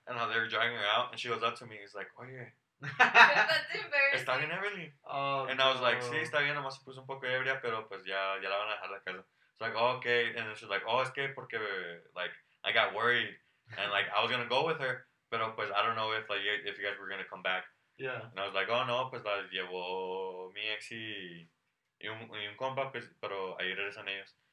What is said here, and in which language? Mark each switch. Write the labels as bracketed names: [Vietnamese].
[English] And how they were dragging her out, and she goes up to me and is like, "Oye." That's embarrassing. [Spanish] Está bien, Evelyn. Oh, [English] and I was like, [Spanish] "Sí, está bien, nomás se puso un poco ebria, pero pues ya la van a dejar la casa." [English] Like, "Oh, okay." And then she's like, [Spanish] "Oh, es que porque, [English] like, I got worried. And, like, I was going to go with her. [Spanish] Pero, pues, [English] I don't know if, like, if you guys were going to come back." Yeah. And I was like, [Spanish] "Oh, no, pues, la llevo mi ex y un compa, pues, pero ahí regresan ellos."